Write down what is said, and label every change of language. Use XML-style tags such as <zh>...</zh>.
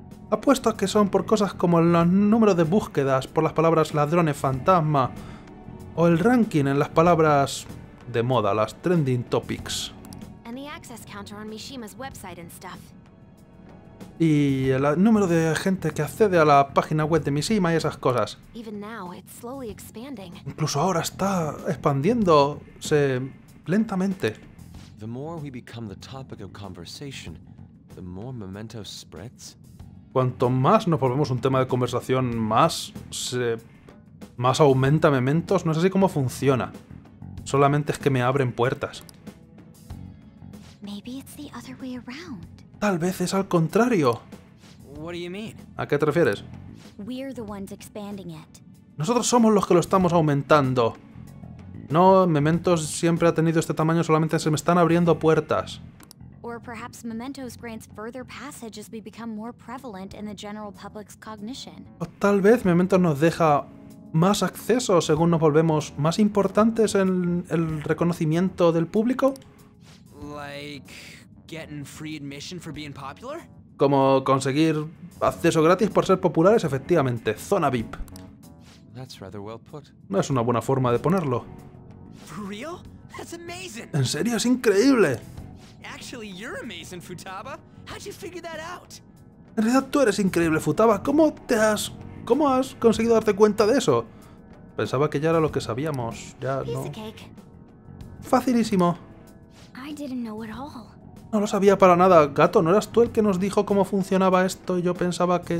<es>Apuesto a que son por cosas como el número de búsquedas por las palabras ladrones fantasma o el ranking en las palabras de moda, las trending topics.</es> <en>And the access counter on Mishima's website and stuff.</en> <es>Y el número de gente que accede a la página web de Mishima y esas cosas.</es> <en>Even now, it's slowly expanding.</en> <es>Incluso ahora está expandiéndose lentamente.</es> <en>The more we become the topic of conversation, the more Mementos spreads.</en> <es>Cuanto más nos volvemos un tema de conversación, más aumenta Mementos. No es así como funciona. Solamente es que me abren puertas.</es> <en>Maybe it's the other way around.</en> <es>Tal vez es al contrario.</es> <en>What do you mean?</en> <es>¿A qué te refieres?</es> <en>We're the ones expanding it.</en> <es>Nosotros somos los que lo estamos aumentando. No, Mementos siempre ha tenido este tamaño, solamente se me están abriendo puertas.</es> <en>Or perhaps Mementos grants further passage as we become more prevalent in the general public's cognition.</en> <es>O tal vez Mementos nos deja más acceso según nos volvemos más importantes en el reconocimiento del público.</es> <en>Like getting free admission for being popular?</en> <es>Como conseguir acceso gratis por ser populares, efectivamente. Zona VIP.</es> <en>That's rather well put.</en> <es>No es una buena forma de ponerlo.</es> <en>For real? That's amazing.</en> <es>¿En serio? ¡Es increíble!</es> <en>Actually, you're amazing, Futaba. How'd you figure that out?</en> <es>En realidad tú eres increíble, Futaba. ¿Cómo has conseguido darte cuenta de eso? Pensaba que ya era lo que sabíamos. Ya, ¿no? Facilísimo.</es> <en>I didn't know it all.</en> <es>No lo sabía para nada. Gato, ¿no eras tú el que nos dijo cómo funcionaba esto? Y yo pensaba que...</es>